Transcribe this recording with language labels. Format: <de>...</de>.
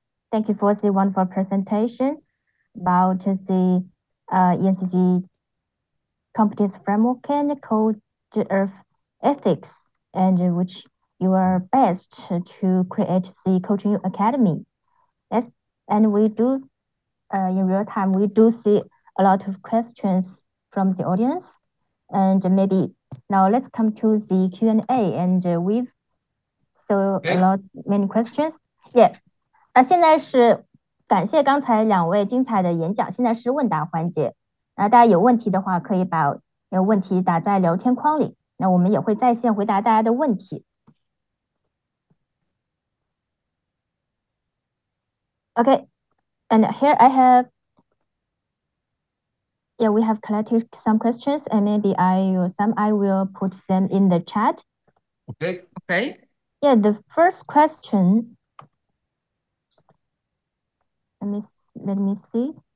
<en>Thank you for the wonderful presentation about the EMCC competence framework and code of ethics, and which you are best to create the Coaching Academy. Yes, and we do, in real time, we do see a lot of questions from the audience. And maybe now let's come to the Q&A, and we've so a lot, many questions.</en> <zh>Yeah, 现在是感谢刚才两位精彩的演讲，现在是问答环节，那大家有问题的话可以把问题打在聊天框里，那我们也会在线回答大家的问题。</zh> <en>Okay, and here I have, yeah, we have collected some questions, and maybe I will put them in the chat. Okay. Yeah, the first question, let me see.</en>